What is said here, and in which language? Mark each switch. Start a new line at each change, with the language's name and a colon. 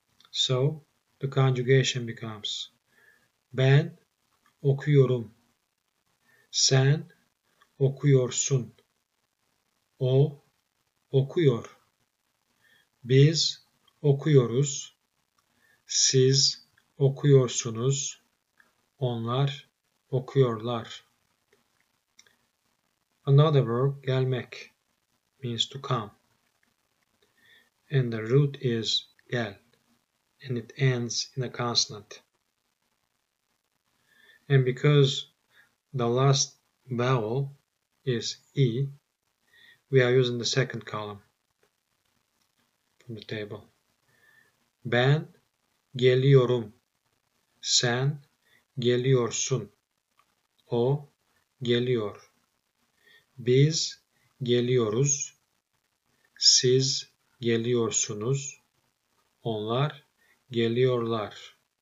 English: So the conjugation becomes
Turkish: ben okuyorum, sen okuyorsun, o okuyor, biz okuyoruz, siz okuyorsunuz, onlar okuyorlar.
English: Another verb, gelmek, means to come. And the root is gel, and it ends in a consonant. And because the last vowel is e, we are using the second column from the table.
Turkish: Ben geliyorum, sen geliyorsun, o geliyor, biz geliyoruz, siz geliyorsunuz, onlar geliyorlar.